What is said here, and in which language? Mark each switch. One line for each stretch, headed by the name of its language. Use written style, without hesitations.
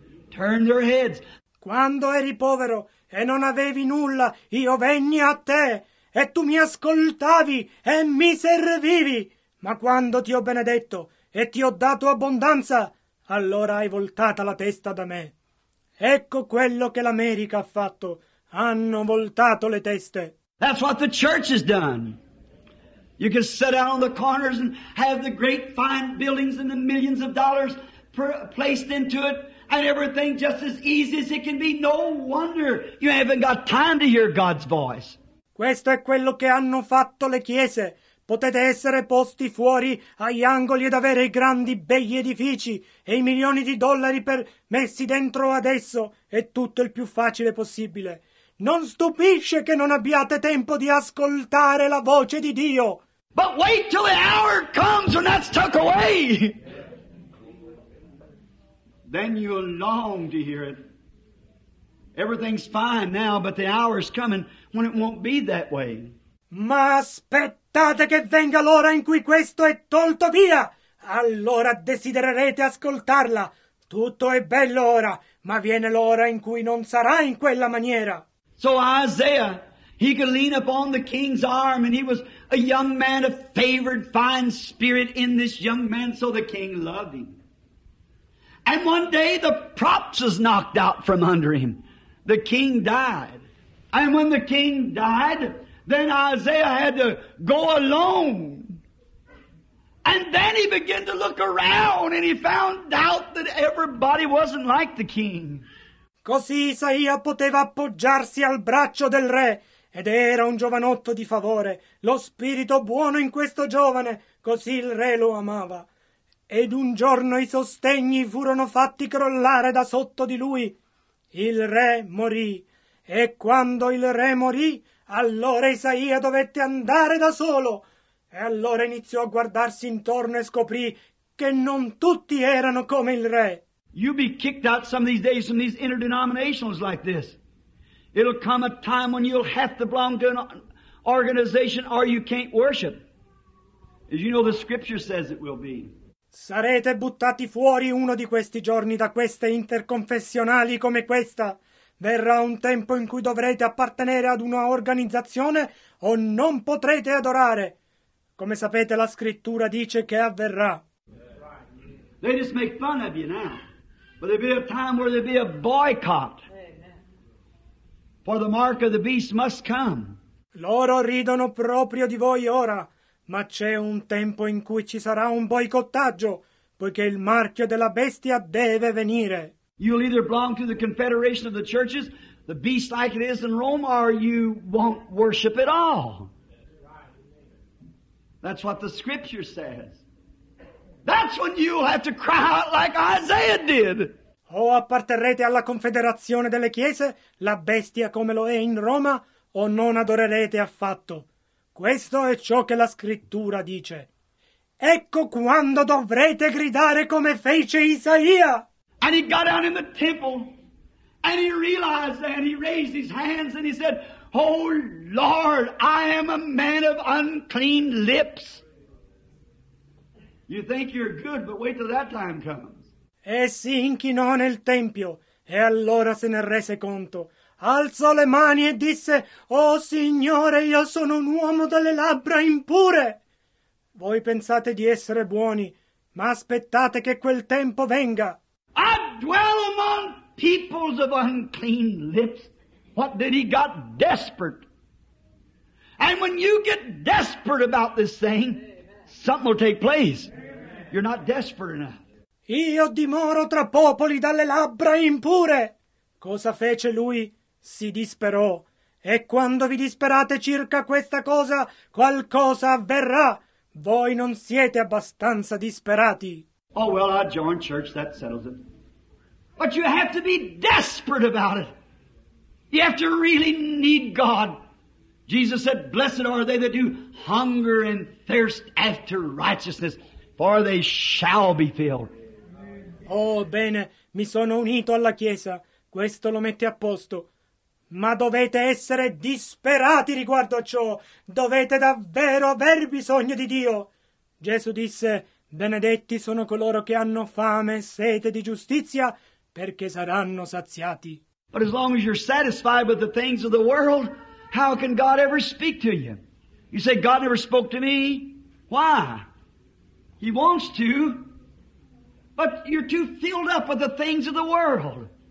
English: Turn their heads.
Italian: Quando eri povero e non avevi nulla, io venni a te e tu mi ascoltavi e mi servivi. Ma quando ti ho benedetto e ti ho dato abbondanza, allora hai voltata la testa da me. Ecco quello che l'America ha fatto. Hanno voltato le teste.
English: That's what the church has done. You can sit out on the corners and have the great fine buildings and the millions of dollars placed into it. And everything just as easy as it can be. No wonder you haven't got time to hear God's voice.
Italian: Questo è quello che hanno fatto le chiese. Potete essere posti fuori agli angoli ed avere i grandi begli edifici e i milioni di dollari per messi dentro adesso. È tutto il più facile possibile. Non stupisce che non abbiate tempo di ascoltare la voce di Dio.
English: But wait till the hour comes when that's took away. Then you'll long to hear it. Everything's fine now, but the hour's coming when it won't be that way.
Italian: Ma aspettate che venga l'ora in cui questo è tolto via. Allora desidererete ascoltarla. Tutto è bello ora, ma viene l'ora in cui non sarà in quella maniera.
English: So Isaiah, he could lean upon the king's arm, and he was a young man of favored, fine spirit in this young man, so the king loved him. And one day the props was knocked out from under him. The king died. And when the king died, then Isaiah had to go alone. And then he began to look around and he found out that everybody wasn't like the king.
Italian: Così Isaia poteva appoggiarsi al braccio del re. Ed era un giovanotto di favore. Lo spirito buono in questo giovane, così il re lo amava. Ed un giorno i sostegni furono fatti crollare da sotto di lui. Il re morì. E quando il re morì, allora Isaia dovette andare da solo. E allora iniziò a guardarsi intorno e scoprì che non tutti erano come il re.
English: You'll be kicked out some of these days from these interdenominations like this. It'll come a time when you'll have to belong to an organization or you can't worship. As you know, the scripture says it will be.
Italian: Sarete buttati fuori uno di questi giorni da queste interconfessionali come questa. Verrà un tempo in cui dovrete appartenere ad una organizzazione o non potrete adorare. Come sapete, la scrittura dice che avverrà.
English: They just make fun of you now. But there'll be a time where there'll be a boycott. For the mark of the beast must come.
Italian: Loro ridono proprio di voi ora. Ma c'è un tempo in cui ci sarà un boicottaggio, poiché il marchio della bestia deve venire.
English: You'll either belong to the confederation of the churches, the beast like it is in Rome, or you won't worship at all. That's what the scripture says. That's when you'll have to cry out like Isaiah did.
Italian: O apparterrete alla confederazione delle chiese, la bestia come lo è in Roma, o non adorerete affatto. Questo è ciò che la scrittura dice. Ecco quando dovrete gridare come fece Isaia.
English: And he got out in the temple and he realized that and he raised his hands and he said, Oh, Lord, I am a man of unclean lips. You think you're good, but wait till that time comes.
Italian: E si inchinò nel tempio, e allora se ne rese conto. Alzò le mani e disse, Oh, Signore, io sono un uomo dalle labbra impure. Voi pensate di essere buoni, ma aspettate che quel tempo venga.
English: I dwell among peoples of unclean lips. What did he got desperate? And when you get desperate about this thing, something will take place. You're not desperate enough.
Italian: Io dimoro tra popoli dalle labbra impure. Cosa fece lui? Si disperò. E quando vi disperate circa questa cosa, qualcosa avverrà. Voi non siete abbastanza disperati.
English: Oh, well, I joined church. That settles it. But you have to be desperate about it. You have to really need God. Jesus said, Blessed are they that do hunger and thirst after righteousness, for they shall be filled.
Italian: Oh, bene, mi sono unito alla Chiesa. Questo lo mette a posto. Ma dovete essere disperati riguardo a ciò. Dovete davvero aver bisogno di Dio. Gesù disse, Benedetti sono coloro che hanno fame e sete di giustizia, perché saranno saziati.
English: But as long as you're satisfied with the things of the world, how can God ever speak to you? You say, God never spoke to me. Why? He wants to, but you're too filled up with the things of the world.